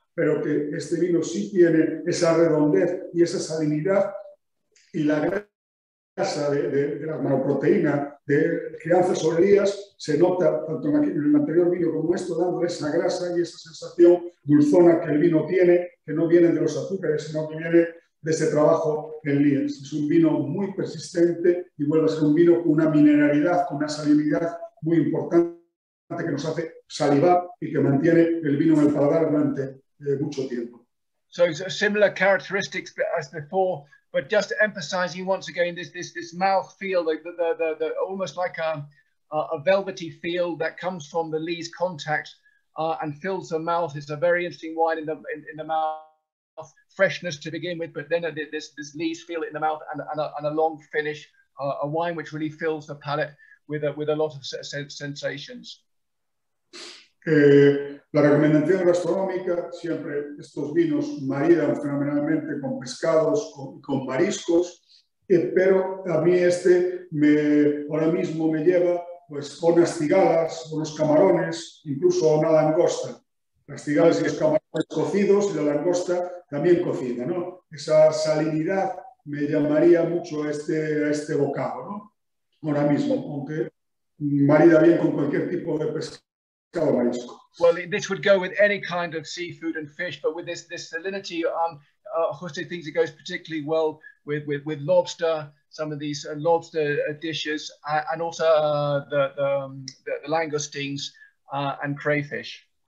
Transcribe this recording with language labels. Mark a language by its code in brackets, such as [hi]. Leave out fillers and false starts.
[es] Pero que este vino sí tiene esa redondez y esa salinidad y la grasa de la monoproteína de crianzas o rías se nota tanto en el anterior vino como esto, dando esa grasa y esa sensación dulzona que el vino tiene, que no viene de los azúcares, sino que viene de ese trabajo en rías. Es un vino muy persistente y vuelve a ser un vino con una mineralidad, con una salinidad muy importante que nos hace salivar y que mantiene el vino en el paladar durante mucho tiempo. [en] So similar characteristics as before, but just emphasizing once again this mouth feel, the almost like a velvety feel that comes from the lees contact and fills the mouth. It's a very interesting wine in the mouth, freshness to begin with, but then this lees feel in the mouth and a long finish, a wine which really fills the palate with a lot of sensations. [es] La recomendación gastronómica, siempre estos vinos maridan fenomenalmente con pescados, con mariscos, pero a mí este ahora mismo me lleva pues unas cigalas, unos camarones, incluso una langosta. Las cigalas y los camarones cocidos y la langosta también cocida, ¿no? Esa salinidad me llamaría mucho a este bocado, ¿no? Ahora mismo, aunque marida bien con cualquier tipo de pescado. [en] Well, this would go with any kind of seafood and fish, but with this salinity, Juste thinks it goes particularly well with lobster, some of these lobster dishes, and also the langoustines and crayfish.